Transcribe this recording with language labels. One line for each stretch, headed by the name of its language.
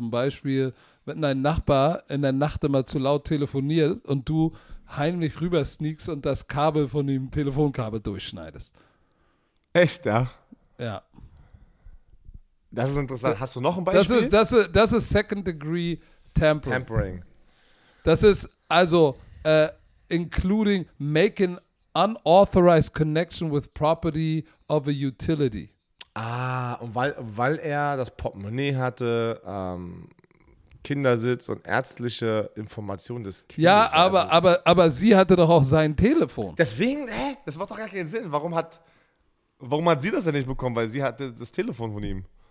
German: Zum Beispiel, wenn dein Nachbar in der Nacht immer zu laut telefoniert und du heimlich rüber sneaks und das Kabel von dem Telefonkabel durchschneidest. Echt, ja? Ja. Das ist interessant. Hast du noch ein Beispiel? Das ist Second Degree Tampering. Tampering. Das ist also
English: including making unauthorized connection with property of a utility.
German: Ah, und weil er das Portemonnaie hatte, Kindersitz und ärztliche Informationen des Kindes. Ja, aber sie hatte doch auch sein Telefon. Deswegen, das macht doch gar keinen Sinn. Warum hat sie das denn nicht bekommen? Weil sie hatte das Telefon von ihm.